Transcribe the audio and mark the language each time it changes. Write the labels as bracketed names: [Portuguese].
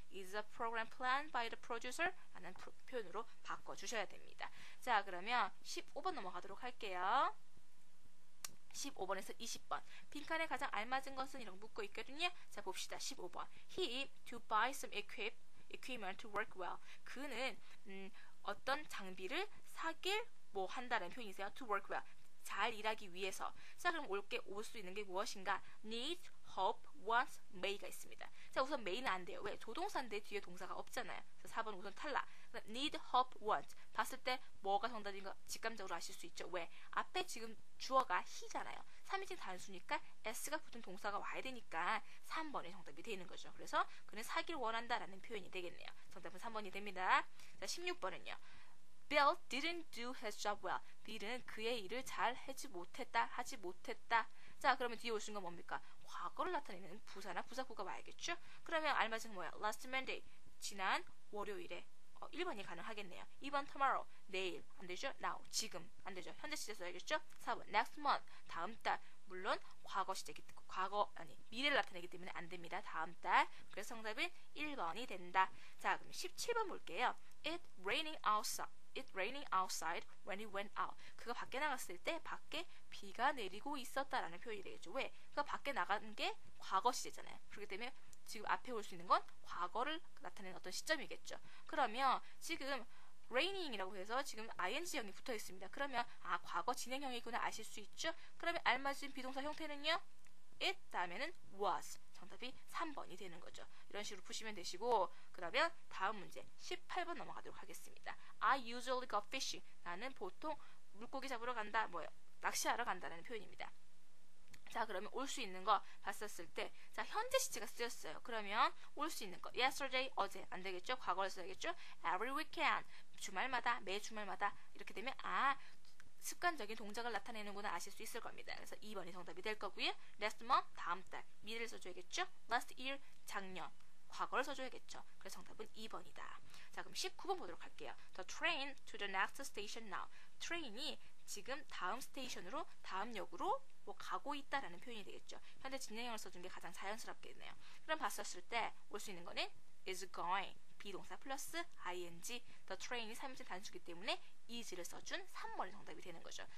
[English] Is the program planned by the producer? [Korean] 라는 표현으로 바꿔주셔야 됩니다. 자, 그러면 15번 넘어가도록 할게요. 15번에서 20번. 빈칸에 가장 알맞은 것은 이런 묻고 있거든요. 자, 봅시다. 15번. [English] He to buy some equipment to work well. [Korean] 그는 어떤 장비를 사길 뭐 한다는 표현이세요. [English] To work well. [Korean] 잘 일하기 위해서. 자, 그럼 올게 올 수 있는 게 무엇인가? Need, hope, wants, may가 있습니다. 자, 우선 may는 안 돼요. 왜? 조동사인데 뒤에 동사가 없잖아요. 그래서 4번 우선 탈락. Need, hope, wants. 봤을 때 뭐가 정답인 거 직감적으로 아실 수 있죠. 왜? 앞에 지금 주어가 he잖아요. 3인칭 단수니까 s가 붙은 동사가 와야 되니까 3번이 정답이 되는 거죠. 그래서 그는 사길 원한다라는 표현이 되겠네요. 정답은 3번이 됩니다. 자, 16번은요. [English] Bill didn't do his job well. [Korean] Bill은 그의 일을 잘 하지 못했다. 자, 그러면 뒤에 오신 건 뭡니까? 과거를 나타내는 부사나 부사구가 와야겠죠? 그러면 알맞은 뭐야? Last Monday, 지난 월요일에. 1번이 가능하겠네요. 2번 tomorrow, 내일. 안 되죠? Now, 지금. 안 되죠? 현재 시제 써야겠죠? 4번 next month, 다음 달. 물론 과거 시제이기 때문에 미래를 나타내기 때문에 안 됩니다. 다음 달. 그래서 정답은 1번이 된다. 자, 그럼 17번 볼게요. [English] It raining outside when he went out. [Korean] 그가 밖에 나갔을 때 밖에 비가 내리고 있었다라는 표현이 되겠죠. 왜? 그가 밖에 나간 게 과거 시제잖아요. 그렇기 때문에 지금 앞에 올 수 있는 건 과거를 나타내는 어떤 시점이겠죠. 그러면 지금 raining이라고 해서 지금 ing형이 붙어 있습니다. 그러면 아, 과거 진행형이구나 아실 수 있죠. 그러면 알맞은 비동사 형태는요? It 다음에는 was. 정답이 3번이 되는 거죠. 이런 식으로 보시면 되시고, 그러면 다음 문제 18번 넘어가도록 하겠습니다. [English] I usually go fishing. [Korean] 나는 보통 물고기 잡으러 간다, 뭐요? 낚시하러 간다라는 표현입니다. 자, 그러면 올 수 있는 거 봤었을 때, 자, 현재 시제가 쓰였어요. 그러면 올 수 있는 거 yesterday, 어제 안 되겠죠? 과거를 써야겠죠? Every weekend, 주말마다, 매 주말마다 이렇게 되면 아, 습관적인 동작을 나타내는구나 아실 수 있을 겁니다. 그래서 2번이 정답이 될 거고요. Last month, 다음 달, 미래를 써줘야겠죠? Last year, 작년, 과거를 써줘야겠죠? 그래서 정답은 2번이다. 자, 그럼 19번 보도록 할게요. [English] The train to the next station now. [Korean] 트레인이 지금 다음 스테이션으로, 다음 역으로 뭐 가고 있다라는 표현이 되겠죠. 현재 진행형을 써준 게 가장 자연스럽겠네요. 그럼 봤었을 때 올 수 있는 거는 is going, be동사 플러스 ing, the train이 3인칭 단수이기 때문에 is를 써준 3번이 정답이 되는 거죠.